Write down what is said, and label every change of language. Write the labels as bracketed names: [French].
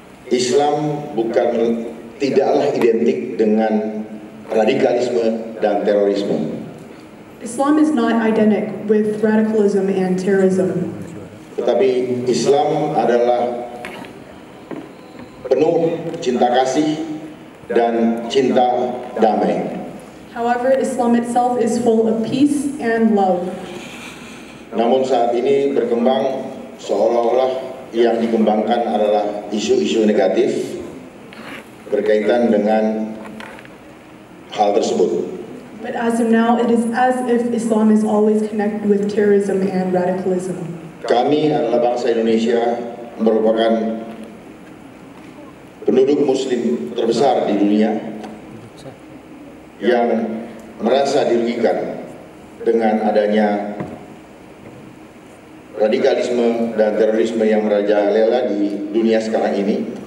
[Indonesian] Islam bukan tidaklah identik dengan radikalisme dan terorisme. [English] Islam is not identical with radicalism and terrorism. [Indonesian] Tetapi Islam adalah penuh cinta kasih dan cinta damai. [English] However, Islam itself is full of peace and love. [Indonesian] Namun saat ini berkembang seolah-olah yang dikembangkan adalah isu-isu negatif berkaitan dengan hal tersebut. [English] But as of now, it is as if Islam is always connected with terrorism and radicalism. [Indonesian] Kami adalah bangsa Indonesia merupakan penduduk Muslim terbesar di dunia yang merasa dirugikan dengan adanya radikalisme dan terorisme yang merajalela di dunia sekarang ini.